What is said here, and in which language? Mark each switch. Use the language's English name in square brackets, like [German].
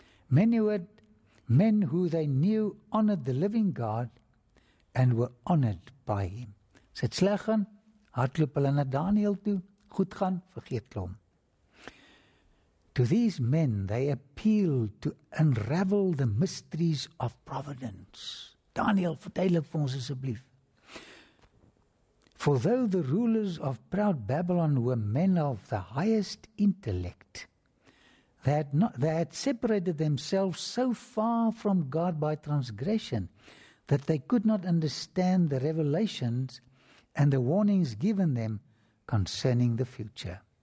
[English] Men who they knew honored the living God and were honored by him. [Afrikaans] As het sleg gaan, hardloop hulle na Daniel toe, goed gaan, vergeet hulle hom. [English] To these men, they appealed to unravel the mysteries of providence. [Afrikaans] Daniel, vertel het vir ons asseblief. [English] For though the rulers of proud Babylon were men of the highest intellect, they had separated themselves so far from God by transgression that they could not understand the revelations and the warnings given them concerning the future.